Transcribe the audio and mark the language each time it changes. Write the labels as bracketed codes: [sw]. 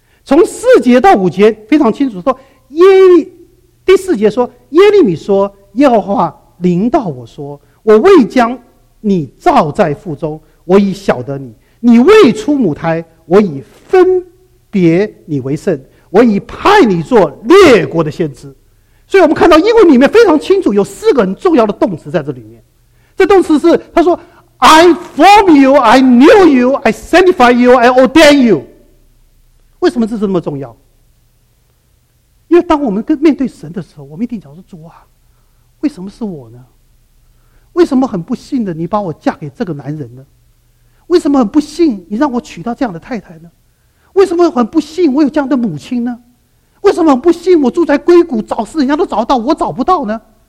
[zh] 从四节到五节非常清楚，说第四节说，耶利米说，耶和华临到我说，我未将你造在腹中，我已晓得你，你未出母胎，我已分别你为圣，我已派你做列国的先知。所以我们看到英文里面非常清楚有四个很重要的动词在这里面。这动词是他说 [en] I form you, I knew you, I sanctify you, I ordain you。 [zh] 为什么这是那么重要？因为当我们跟面对神的时候，我们一定讲说，主啊，为什么是我呢？为什么很不幸的你把我嫁给这个男人呢？为什么很不幸你让我娶到这样的太太呢？为什么很不幸我有这样的母亲呢？为什么很不幸我住在硅谷，找事人家都找到，我找不到呢？